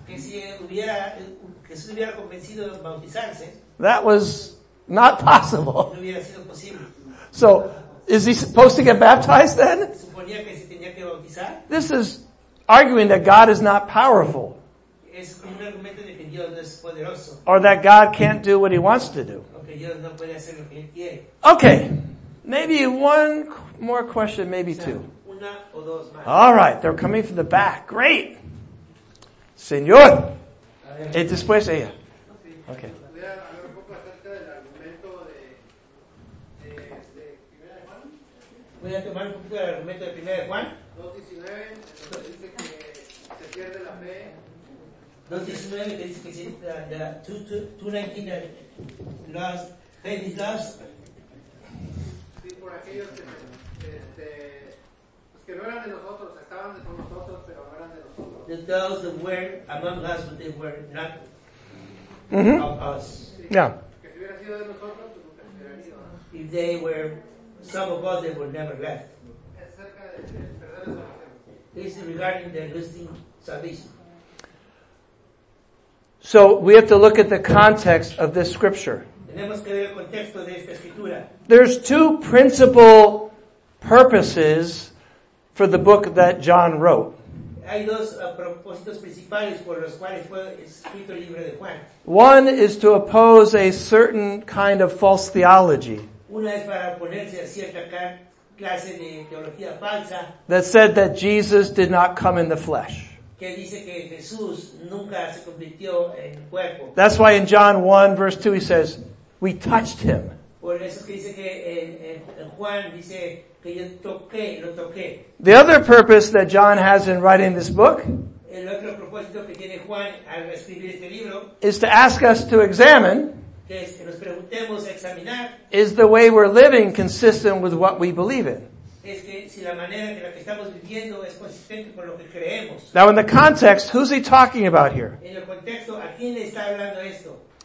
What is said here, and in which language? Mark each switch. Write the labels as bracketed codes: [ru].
[es] que si hubiera, que si hubiera convencido de bautizarse, [en] that was not possible. [es] No hubiera sido posible. [en] So, is he supposed to get baptized then? [es] Suponía que se tenía que bautizar. [en] This is arguing that God is not powerful. [es] Es un argumento de que Dios no es poderoso. [en] Or that God can't do what he wants to do. [es] Okay, Dios no puede hacer lo que él quiere. [en] Okay, maybe one more question, maybe [es] o sea, [en] two. [es] Una o dos más. [en] All right, they're coming from the back. Great. Señor. [es] Y después ella. [en] Okay. [es] Voy a tomar un poquito del argumento de primera de Juan. 2:19, que dice que se pierde la fe. 2:19, que dice que se la 2:19, [en] that faith is lost. [es] Sí, por aquellos que, pues que no eran de nosotros, estaban con nosotros, pero no eran de nosotros. [en] The those that were among us, but they were not of us. Sí. Yeah. [es] Que si hubiera sido de nosotros, pues nunca se hubiera ido. [en] If they were some of us, they would never left. It's regarding the losing salvation. So we have to look at the context of this scripture. [es] Tenemos que ver el contexto de esta escritura. [en] There's two principal purposes for the book that John wrote. [es] Hay dos propósitos principales por los cuales fue escrito el libro de Juan. [en] One is to oppose a certain kind of false theology. [es] Una es para oponerse a cierta clase de teología falsa. [en] That said that Jesus did not come in the flesh. [es] Que dice que Jesús nunca se convirtió en cuerpo. [en] That's why in John 1 verse 2 he says, we touched him. [es] Por eso que dice que en Juan dice que yo toqué, lo toqué. [en] The other purpose that John has in writing this book, [es] el otro propósito que tiene Juan al escribir este libro, [en] is to ask us to examine, [es] que nos preguntemos a examinar, [en] is the way we're living consistent with what we believe in. [es] Es que si la manera en la que estamos viviendo es consistente con lo que creemos. [en] Now in the context, who's he talking about here? [es] En el contexto, ¿a quién le está hablando esto?